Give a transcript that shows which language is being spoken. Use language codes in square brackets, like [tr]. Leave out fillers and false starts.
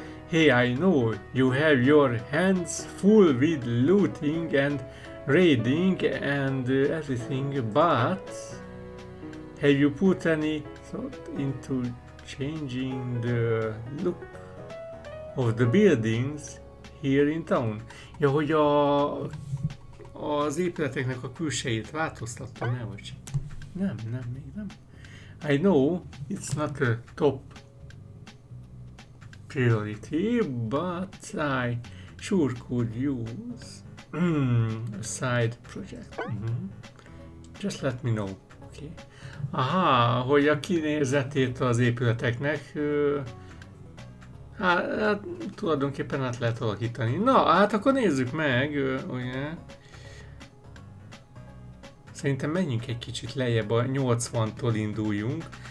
[en] Hey, I know you have your hands full with looting and raiding and everything, but have you put any thought into changing the look of the buildings here in town? [hu] Ja, hogy az épületeknek a külsejét változtattam el, vagy sem? Nem, még nem. [en] I know it's not a top priority, but I sure could use a side project. Just let me know, okay? [hu] Aha, hogy a kinézetét az épületeknek, hát tulajdonképpen át lehet alakítani. Na, hát akkor nézzük meg, ugye? Szerintem menjünk egy kicsit lejjebb, a 80-tól induljunk.